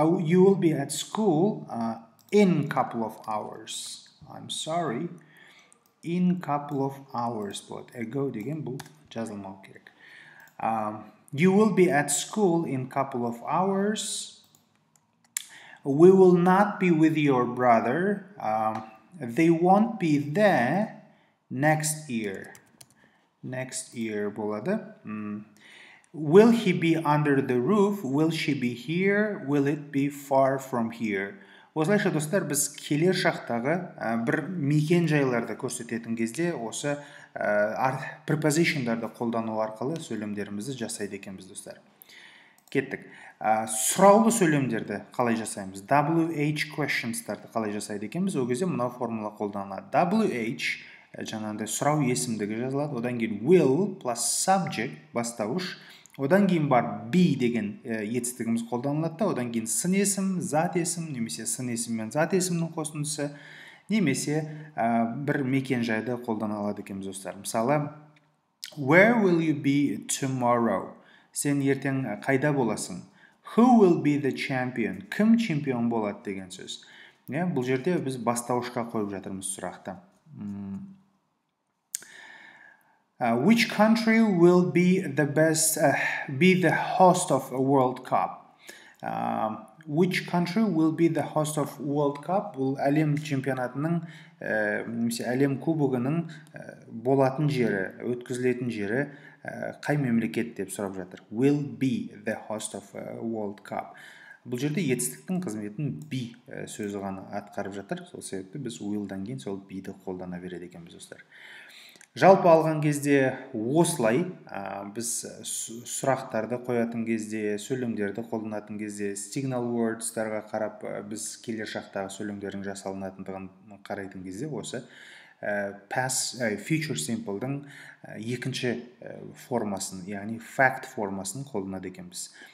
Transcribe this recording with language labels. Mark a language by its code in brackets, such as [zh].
[en] You will be at school in couple of hours. I'm sorry. In couple of hours. But ago [kk] деген бұл жазылмау керек. [en] You will be at school in couple of hours. We will not be with your brother. They won't be there next year. Next year болады. Will he be under the roof? Will she be here? Will it be far from here? [kk] Осылайша, достар, біз келер шақтағы бір мекен жайларды көрсететін кезде осы preposition-дарды қолдану арқылы сөйлемдерімізді жасайды екенбіз, достар. Кеттік. Сұраулы сөйлемдерді қалай жасаймыз? WH questions-тарды қалай жасайды екенбіз? Ол кезде мынау формула қолданылады. WH жаңағындай сұрау есімдігі жазылады. Одан кейін will plus subject бастауыш. Одан кейін бар be деген етістігіміз қолданылады да, одан кейін сын есім, зат есім, немесе сын есім мен зат есімнің қосындысы, немесе бір мекен жайды қолданалады екеміз достар. [en] Мысалы, where will you be tomorrow? [kk] Сен ертең қайда боласың? [en] Who will be the champion? [kk] Кім чемпион болады деген сөз. Бұл жерде біз бастаушқа қойып жатырмыз сұрақты. [en] Which country will be the best, be the host of a World Cup? Which country will be the host of World Cup? [kk] Бұл әлем чемпионатының, немесе әлем кубогының болатын жері, өткізілетін жері қай мемлекет деп сұрап жатыр. [en] Will be the host of a World Cup. [kk] Бұл жерде етістіктің қызметін be сөзі ғана атқарып жатыр. Сол себепті біз will-дан кейін сол be-ді қолдана береді екенбіз достар. Жалпы алған кезде осылай, біз сұрақтарды қоятын кезде, сөйлемдерді қолданатын кезде, signal words-тарға қарап, біз келер шақтағы сөйлемдердің жасалынатындығын қарайтын кезде осы future simple-дің екінші формасын, яғни fact формасын қолданады екенбіз.